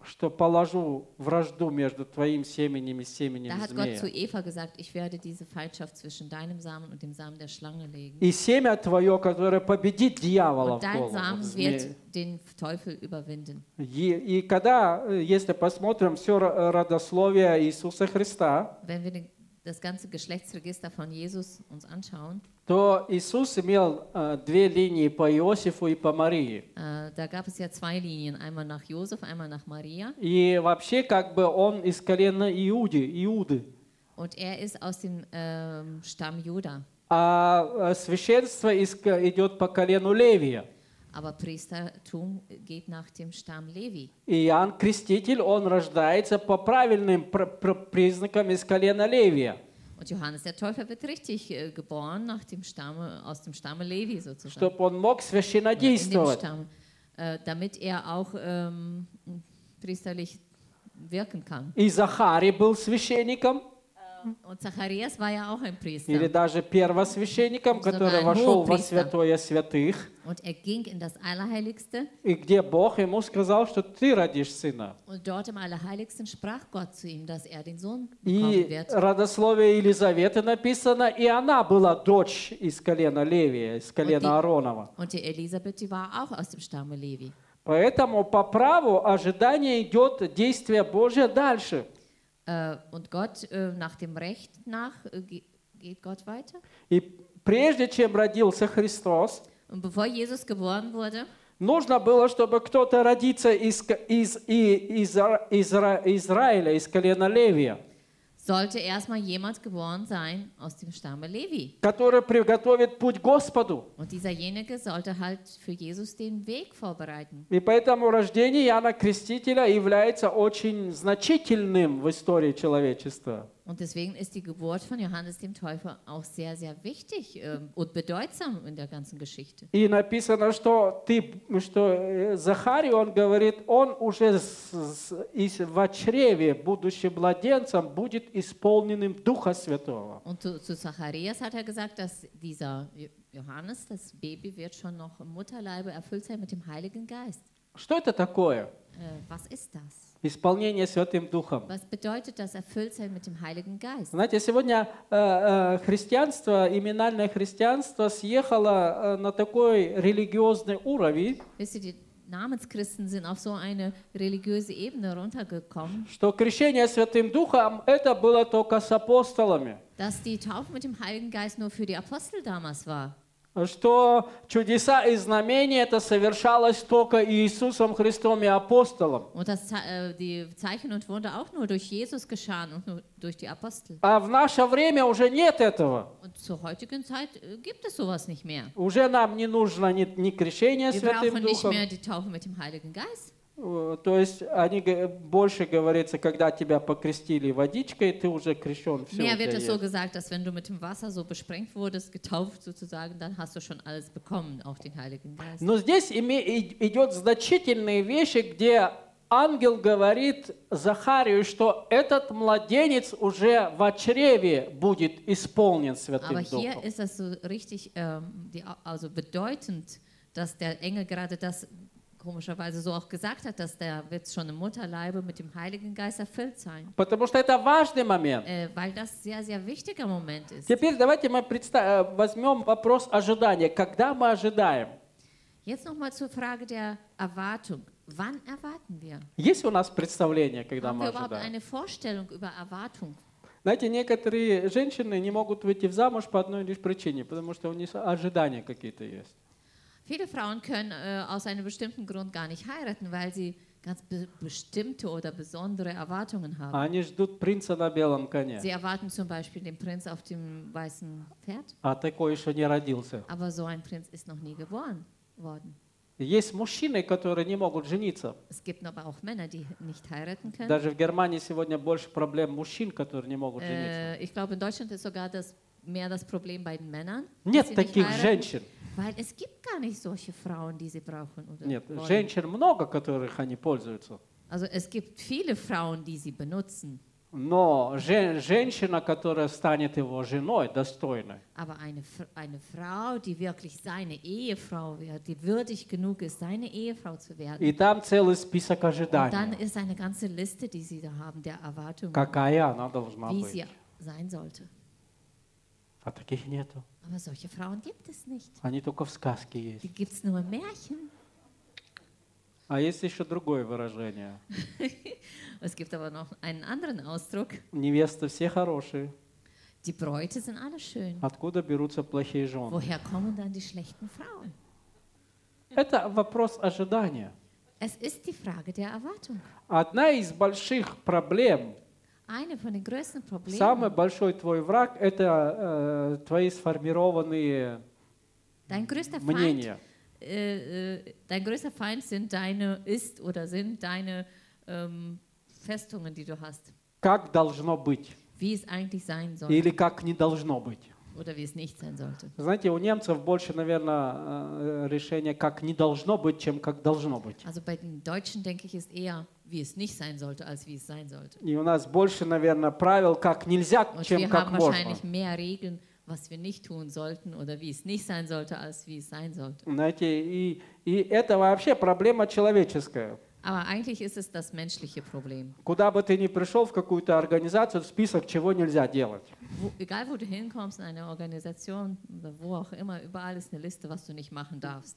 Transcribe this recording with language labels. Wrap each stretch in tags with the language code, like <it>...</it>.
<ru>Что положу вражду между твоим семенем и семенем змея.</ru> <de>Da hat Gott zu Eva gesagt, ich werde diese Feindschaft zwischen deinem Samen und dem Samen der Schlange legen.</de> <ru>И семя твое, которое победит дьявола.</ru> <de>Und dein Samen wird den Teufel überwinden.</de> <ru>И когда если посмотрим все родословие Иисуса Христа.</ru> <de>Wenn wir das ganze Geschlechtsregister von Jesus uns anschauen.</de> <ru>То Иисус имел две линии по Иосифу и по Марии.</ru> <de>Da gab es ja zwei Linien, einmal nach Josef, einmal nach Maria.</de> <ru>И вообще как бы он из колена Иуды, Иуды.</ru> <de>Und ist aus dem Stamm Juda.</de> <ru>А священство идет по колену Левия.</ru> <de>Aber Priestertum geht nach dem Stamm Levi.</de> <ru>Иоанн Креститель, он рождается по правильным признакам из колена Левия.</ru> <de>Und Johannes der Täufer wird richtig geboren nach dem Stamm, aus dem Stamm Levi sozusagen.</de> <ru>Чтоб он мог священно действовать.</ru> <de>Stamm, damit auch priesterlich wirken kann.</de> <ru>И Захарий был священником.</ru> <de>Und Zacharias war ja auch ein Priester.</de> <ru>Или даже первосвященником, который вошел во святое святых.</ru> <de>Und ging in das Allerheiligste.</de> <ru>И где Бог ему сказал, что ты родишь сына.</ru> <de>Und dort im Allerheiligsten sprach Gott zu ihm, dass den Sohn</de> <ru>И родословие Елизаветы написано, и она была дочь из колена Левия, из колена Ааронова.</ru> <de>Und die Elisabeth, die war auch aus dem Stamm Levi.</de> <ru>Поэтому по праву ожидания идет действие Божие дальше.</ru> <de>Und Gott, nach dem Recht nach, geht Gott weiter?</de> <ru>И прежде чем родился Христос,</ru> <de>Und bevor Jesus geboren wurde,</de> <ru>нужно было, чтобы кто-то родился из Израиля, из колена Левия,</ru> <de>sollte erstmal jemand geboren sein aus dem Stamm Levi,</de> <ru>который приготовит путь Господу.</ru> <de>Und dieserjenige sollte halt für Jesus den Weg vorbereiten.</de> <ru>И поэтому рождение Иоанна Крестителя является очень значительным в истории человечества.</ru> <de>Und deswegen ist die Geburt von Johannes dem Täufer auch sehr, sehr wichtig und bedeutsam in der ganzen Geschichte.</de> <ru>И написано, что Захарий, он говорит, он уже в чреве, будучи младенцем, будет исполненным Духа Святого.</ru> <de>Und zu Zacharias hat gesagt, dass dieser Johannes, das Baby, wird schon noch im Mutterleibe erfüllt sein mit dem Heiligen Geist.</de> <ru>Что это такое?</ru> <de>Was ist das?</de> <ru>Исполнение Святым Духом.</ru> <de>Was bedeutet das erfüllt sein mit dem Heiligen Geist?</de> <ru>Знаете, сегодня христианство, именальное христианство съехало на такой религиозный уровень.</ru> <de>Die Namenschristen sind auf so eine religiöse Ebene runtergekommen.</de> <ru>Что крещение Святым Духом это было только с апостолами.</ru> <de>Dass die Taufe mit dem Heiligen Geist nur für die Apostel damals war.</de> <ru>Что чудеса и знамения это совершалось только Иисусом Христом и апостолом.</ru> <de>Und das, die Zeichen und Wunder auch nur durch Jesus geschahen und nur durch die Apostel.</de> <ru>А в наше время уже нет этого.</ru> <de>Und zur heutigen Zeit gibt es sowas nicht mehr.</de> <ru>Уже нам не нужно ни крещение Святым Духом.</ru> <de>Wir brauchen nicht mehr die Taufe mit dem Heiligen Geist.</de> <ru>То есть они больше говорится, когда тебя покрестили водичкой, ты уже крещен.</ru> <de>Mehr wird es so gesagt, dass wenn du mit dem Wasser so besprengt wurdest, getauft sozusagen, dann hast du schon alles bekommen, auch den Heiligen Geist.</de> <ru>Но здесь идет значительные вещи, где ангел говорит Захарию, что этот младенец уже в чреве будет исполнен Святым Духом.</ru> <de>Aber hier ist es so richtig, also bedeutend, dass der Engel gerade das komischerweise so auch gesagt hat, dass der wird schon im Mutterleibe mit dem Heiligen Geist erfüllt sein.</de> <ru>Потому что это важный момент.</ru> <de>Weil das sehr, sehr wichtiger Moment ist.</de> <ru>Теперь давайте мы возьмем вопрос ожидания. Когда мы ожидаем?</ru> <de>Jetzt nochmal zur Frage der Erwartung. Wann erwarten wir?</de> <ru>Есть у нас представление, когда мы ожидаем?</ru> <de>Haben wir überhaupt eine Vorstellung über Erwartung?</de> <ru>Знаете, некоторые женщины не могут выйти в замуж по одной лишь причине, потому что у них ожидания какие-то есть.</ru> <de>Viele Frauen können aus einem bestimmten Grund gar nicht heiraten, weil sie ganz bestimmte oder besondere Erwartungen haben.</de> <ru>Они ждут принца на белом коне.</ru> <de>Sie erwarten zum Beispiel den Prinz auf dem weißen Pferd.</de> <ru>А такой еще не родился.</ru> <de>Aber so ein Prinz ist noch nie geboren worden.</de> <ru>Есть мужчины, которые не могут жениться.</ru> <de>Es gibt aber auch Männer, die nicht heiraten können.</de> <ru>Даже в Германии сегодня больше проблем мужчин, которые не могут жениться.</ru> <de>Ich glaube, in Deutschland ist sogar das mehr das Problem bei den Männern.</de> <ru>Нет таких женщин.</ru> <de>Weil es gibt gar nicht solche Frauen, die sie brauchen. Oder</de> <ru>Нет,</ru> <de>wollen.</de> <ru>Женщин много, которых они пользуются.</ru> <de>Also es gibt viele Frauen, die sie benutzen.</de> <ru>Но женщина, которая станет его женой, достойной.</ru> <de>Aber eine Frau, die wirklich seine Ehefrau wird, die würdig genug ist, seine Ehefrau zu werden.</de> <ru>И там целый список ожиданий.</ru> <de>Und dann ist eine ganze Liste, die sie da haben, der Erwartungen.</de> <ru>Какая она должна</ru> <de>wie</de> <ru>быть.</ru> <de>Sie sein sollte.</de> <ru>А таких нету.</ru> <de>Aber solche Frauen gibt es nicht.</de> <ru>Они только в сказке есть.</ru> <de>Die gibt's nur im Märchen.</de> <ru>А есть еще другое выражение.</ru> <de>Es gibt aber noch einen anderen Ausdruck.</de> <ru>Невесты все хорошие.</ru> <de>Die Bräute sind alle schön.</de> <ru>Откуда берутся плохие жены?</ru> <de>Woher kommen dann die schlechten Frauen?</de> <ru>Это вопрос ожидания.</ru> <de>Es ist die Frage der Erwartung.</de> <ru>Одна из больших проблем.</ru> <de>Eine von den größten Problemen.</de> <ru>Самый большой твой враг – это твои сформированные</ru> <de>dein größter</de> <ru>мнения.</ru> <de>Feind, dein größter Feind sind deine ist oder sind deine Festungen, die du hast.</de> <ru>Как должно быть?</ru> <de>Wie es eigentlich sein sollte.</de> <ru>Или как не должно быть?</ru> <de>Oder wie es nicht sein sollte.</de> <ru>Знаете, у немцев больше, наверное, решение, как не должно быть, чем как должно быть.</ru> <de>Also bei den Deutschen denke ich, ist eher wie es nicht sein sollte, als wie es sein sollte.</de> <ru>И у нас больше, наверное, правил, как нельзя,</ru> <de>Und</de> <ru>чем как можно.</ru> <de>Wir haben wahrscheinlich mehr Regeln, was wir nicht tun sollten oder wie es nicht sein sollte, als wie es sein sollte.</de> <ru>Знаете, и это вообще проблема человеческая.</ru> <de>Aber eigentlich ist es das menschliche Problem.</de> <ru>Куда бы ты ни пришел, в какую-то организацию, в список, чего нельзя делать.</ru> <de>Wo, egal, wo du hinkommst, in eine Organisation, wo auch immer, überall ist eine Liste, was du nicht machen darfst.</de>